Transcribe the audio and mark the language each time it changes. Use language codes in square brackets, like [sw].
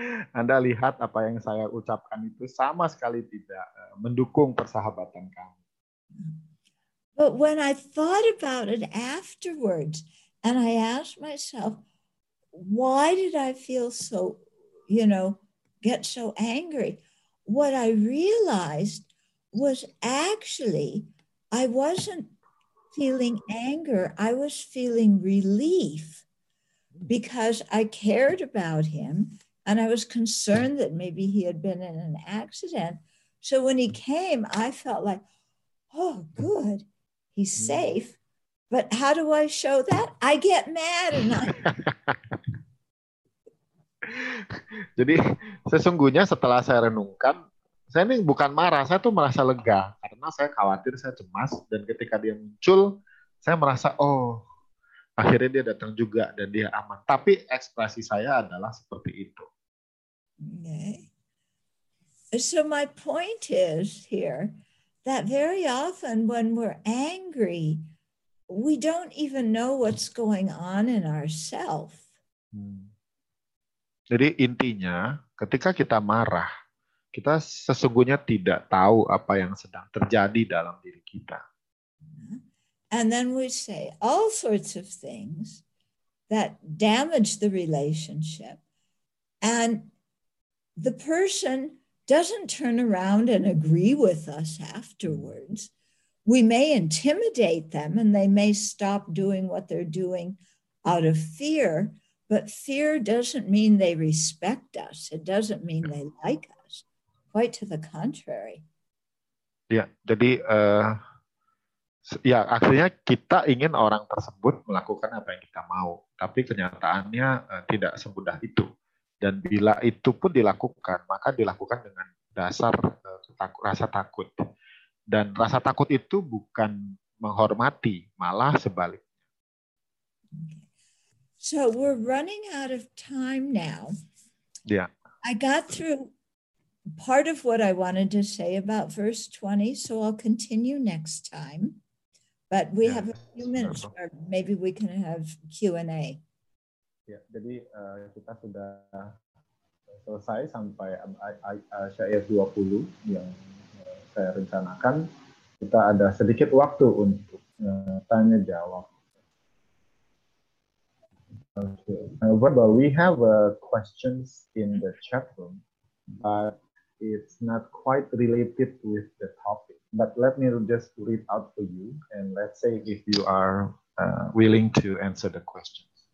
[id] Anda lihat apa yang saya ucapkan itu sama sekali tidak mendukung persahabatan kami. [en] But when I thought about it afterwards and I asked myself, why did I feel so, you know, get so angry, what I realized was actually, I wasn't feeling anger, I was feeling relief because I cared about him and I was concerned that maybe he had been in an accident. So when he came, I felt like, oh, good, he's safe. But how do I show that? I get mad and I... [id] Jadi sesungguhnya setelah saya renungkan, saya ini bukan marah, saya tuh merasa lega karena saya khawatir, saya cemas, dan ketika dia muncul, saya merasa oh akhirnya dia datang juga dan dia aman. Tapi ekspresi saya adalah seperti itu. [en] Okay. So my point is here that very often when we're angry, we don't even know what's going on in ourselves. [id] Jadi intinya, ketika kita marah, kita sesungguhnya tidak tahu apa yang sedang terjadi dalam diri kita. [en] And then we say all sorts of things that damage the relationship. And the person doesn't turn around and agree with us afterwards. We may intimidate them and they may stop doing what they're doing out of fear. But fear doesn't mean they respect us. It doesn't mean they like us. Quite to the contrary. [id] Ya, jadi ya akhirnya kita ingin orang tersebut melakukan apa yang kita mau, tapi kenyataannya tidak semudah itu. Dan bila itu pun dilakukan, maka dilakukan dengan dasar rasa takut. Dan rasa takut itu bukan menghormati, malah sebaliknya. [en] So we're running out of time now. Yeah. I got through part of what I wanted to say about verse 20, so I'll continue next time. But we have a few minutes, or maybe we can have Q&A. Yeah. [id] Jadi kita sudah selesai sampai syair 20 yang saya rencanakan. Kita ada sedikit waktu untuk tanya jawab. [en] Okay. Well, we have questions in the chat room, but it's not quite related with the topic. But let me just read out for you, and let's say if you are willing to answer the questions.